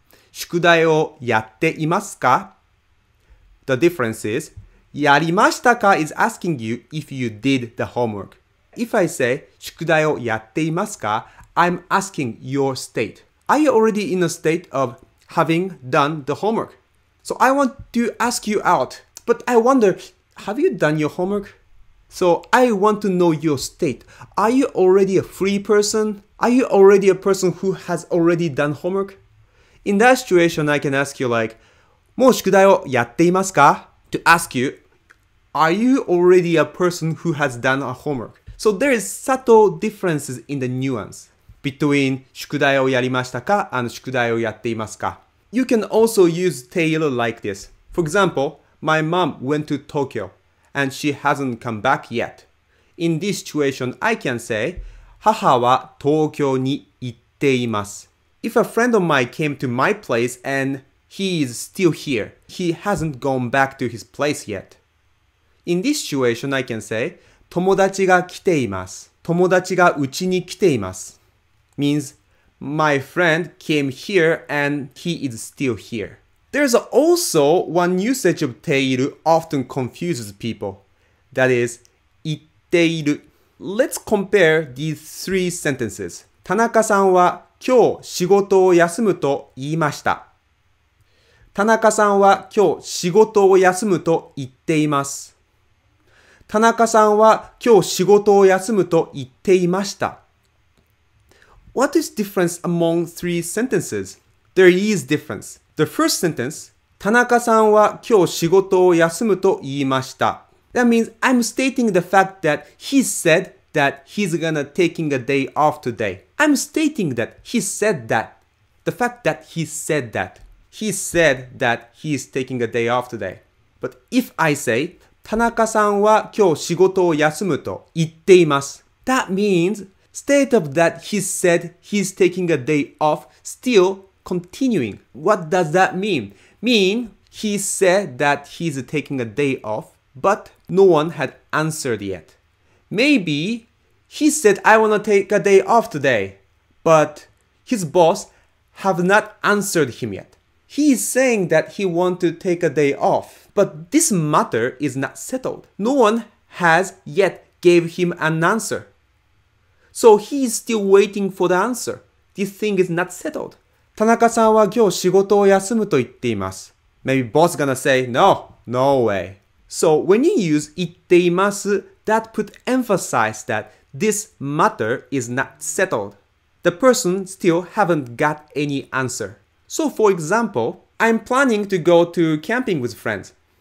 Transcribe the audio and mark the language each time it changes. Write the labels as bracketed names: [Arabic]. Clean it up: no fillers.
[Japanese] 宿題をやっていますか? [English] The difference is, [Japanese] やりましたか [English] is asking you if you did the homework. If I say, [Japanese] 宿題をやっていますか? [English] I'm asking your state. Are you already in a state of,having done the homework. So I want to ask you out, but I wonder, have you done your homework? So I want to know your state. Are you already a free person? Are you already a person who has already done homework? In that situation, I can ask you like, [Japanese] もう宿題をやっていますか? [English] To ask you, are you already a person who has done a homework? So there is subtle differences in the nuance. Between [Japanese] 宿題をやりましたか [English] and [Japanese] 宿題をやっていますか [English] You can also use teiru like this. For example, my mom went to Tokyo and she hasn't come back yet. In this situation, I can say [Japanese] 母は東京に行っています [English] If a friend of mine came to my place and he is still here, he hasn't gone back to his place yet. In this situation, I can say [Japanese] 友達が来ています友達が家に来ています [English] means, my friend came here and he is still here. There's also one usage of teiru often confuses people. That is, [Japanese] 行っている。 [English] Let's compare these three sentences. [Japanese] 田中さんは今日仕事を休むと言いました。田中さんは今日仕事を休むと言っています。田中さんは今日仕事を休むと言っていました。 [English] What is difference among three sentences? There is difference. The first sentence, [Japanese] 田中さんは今日仕事を休むと言いました。 [English] That means I'm stating the fact that he said that he's gonna taking a day off today. I'm stating that he said that. The fact that he said that. He said that he's taking a day off today. But if I say, [Japanese] 田中さんは今日仕事を休むと言っています。 [English] That means,State of that he said he's taking a day off, still continuing. What does that mean? Mean, he said that he's taking a day off, but no one had answered yet. Maybe he said I wanna take a day off today, but his boss have not answered him yet. He is saying that he want to take a day off, but this matter is not settled. No one has yet gave him an answer. So he is still waiting for the answer. This thing is not settled. [Japanese] 田中さんは今日仕事を休むと言っています。 [English] Maybe boss gonna say, no, no way. So when you use [Japanese] 言っています, [English] that put emphasize that this matter is not settled. The person still haven't got any answer. So for example, I'm planning to go to camping with friends.